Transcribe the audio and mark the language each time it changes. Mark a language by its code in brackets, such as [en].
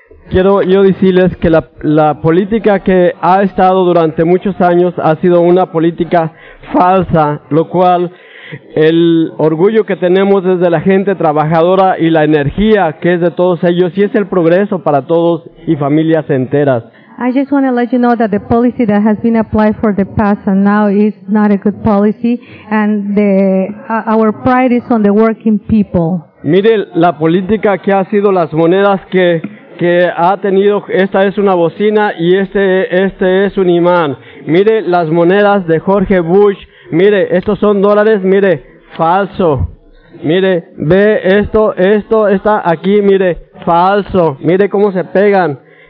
[es] Quiero yo decirles que la política que ha estado durante muchos años ha sido una política falsa, lo cual el orgullo que tenemos es de la gente trabajadora y la energía que es de todos ellos y es el progreso para todos y familias enteras. [en] I just want to let you know that the policy that has been applied for the past and now is not a good policy, and our pride is on the working people. [es] Mire, la política que ha sido las monedas que ha tenido, esta es una bocina y este es un imán. Mire las monedas de Jorge Bush, mire, estos son dólares, mire, falso. Mire, ve esto está aquí, mire, falso, mire cómo se pegan.